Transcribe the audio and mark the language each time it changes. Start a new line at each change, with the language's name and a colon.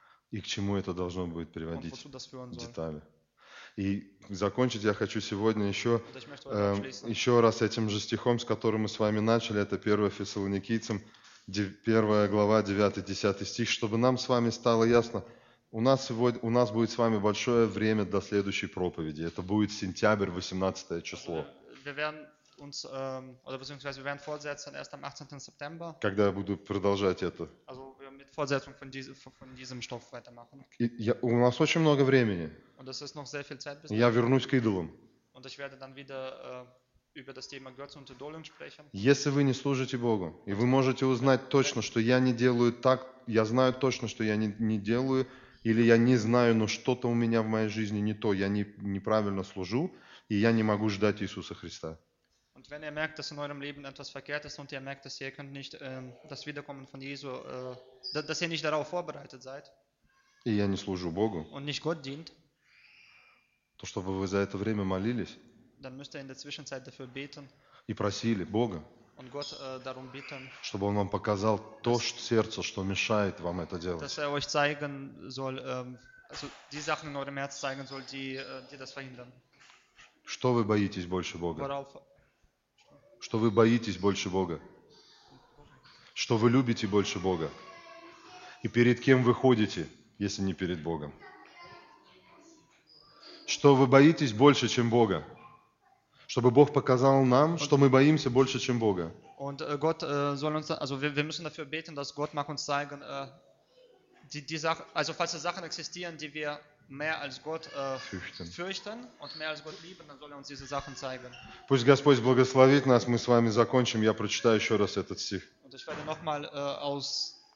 Russian: И к чему это должно будет приводить детали? И закончить я хочу сегодня еще раз этим же стихом, с которым мы с вами начали. Это 1 Фессалоникийцам, 1 глава, 9-10 стих, чтобы нам с вами стало ясно. У нас будет с вами большое время до следующей проповеди. Это будет сентябрь, 18 число.
German: Uns, oder beziehungsweise wir werden fortsetzen erst am 18. September.
Russian: Когда я буду продолжать это.
German: Also wir mit Fortsetzung von diesem Stoff weitermachen.
Russian: У нас очень много времени.
German: Und das ist noch sehr viel Zeit bis dahin.
Russian: Я вернусь к идолам.
German: Und ich werde dann wieder über das Thema Götzen und Idolen sprechen.
Russian: Если вы не служите Богу, и вы можете узнать точно, что я не делаю так, я знаю точно, что я не делаю, или я не знаю, но что-то у меня в моей жизни не то, я неправильно служу, и я не могу ждать Иисуса Христа.
German: Und wenn ihr merkt, dass in eurem Leben etwas verkehrt ist und ihr merkt, dass ihr könnt nicht das Wiederkommen von Jesu, dass ihr nicht darauf vorbereitet seid
Russian: и я не служу Богу,
German: und nicht Gott dient,
Russian: то, чтобы вы за это время молились,
German: dann müsst ihr in der Zwischenzeit dafür beten
Russian: и просили Бога,
German: und Gott darum bitten,
Russian: чтобы он вам показал то сердце, что мешает вам это делать.
German: Dass er euch zeigen soll, also die Sachen in eurem Herz zeigen soll, die das verhindern.
Russian: Что вы боитесь больше Бога?
German: Worauf
Russian: что вы боитесь больше Бога, что вы любите больше Бога, и перед кем вы ходите, если не перед Богом. Что вы боитесь больше, чем Бога, чтобы Бог показал нам, что мы боимся больше, чем Бога.
German: Und Gott soll uns, also wir müssen dafür beten, dass Gott mag uns zeigen, die Sache, also falls es Sachen existieren, die wir mehr als Gott fürchten und mehr als Gott lieben, dann soll er uns diese Sachen zeigen.
Russian: Пусть Господь благословит нас, мы с вами закончим, я прочитаю еще раз этот стих.
German: Und ich werde nochmal aus